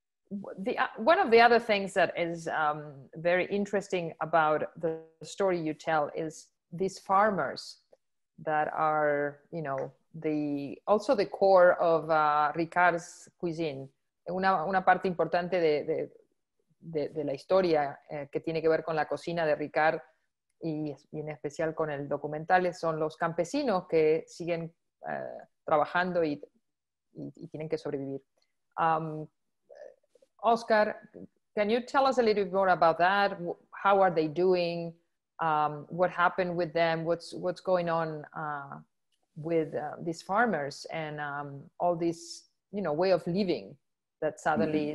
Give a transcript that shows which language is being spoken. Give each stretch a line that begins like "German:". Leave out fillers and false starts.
English: One of the other things that is very interesting about the story you tell is these farmers that are, you know, the core of Ricard's cuisine.
Spanish: Una parte importante de la historia que tiene que ver con la cocina de Ricard y en especial con el documental son los campesinos que siguen trabajando y tienen que sobrevivir.
English: Óscar, can you tell us a little bit more about that? How are they doing? What happened with them? What's going on with these farmers and all this, you know, way of living that suddenly mm-hmm.